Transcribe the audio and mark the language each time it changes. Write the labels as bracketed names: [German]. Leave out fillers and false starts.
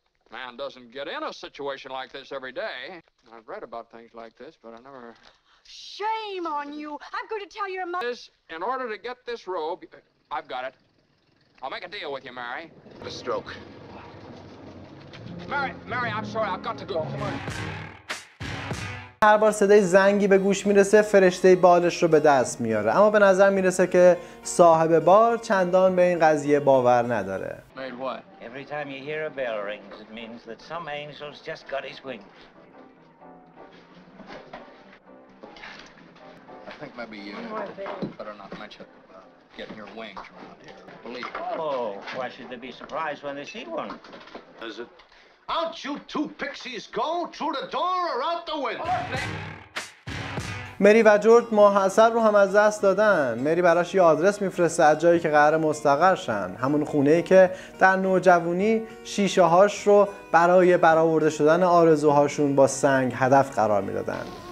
[English] Man doesn't get in a situation like this every day. I've read about things like this, but I never... Shame on you! I'm going to tell your mother... In order to get this robe... I've got it. I'll make a deal with you, Mary. A stroke. Mary, I'm sorry, I've got to go. Come on. [Persian] هر بار صدای زنگی به گوش میرسه فرشته بالش رو به دست میاره، اما به نظر میرسه که صاحب بار چندان به این قضیه باور نداره. [English] Every time you hear a bell rings it means that some angel's just got his wings. I think maybe you better not mention getting your wings around here. Believe. Oh, why should they be surprised when they see one? Is it Out you two pixies go through the door or out the window. [Persian] مری و جورج ماحصل رو هم از دست دادن. مری براش یه آدرس میفرسته از جایی که قرار مستقر شن، همون خونه‌ای که در نوجوانی شیشه هاش رو برای برآورده شدن آرزوهاشون با سنگ هدف قرار میدادن.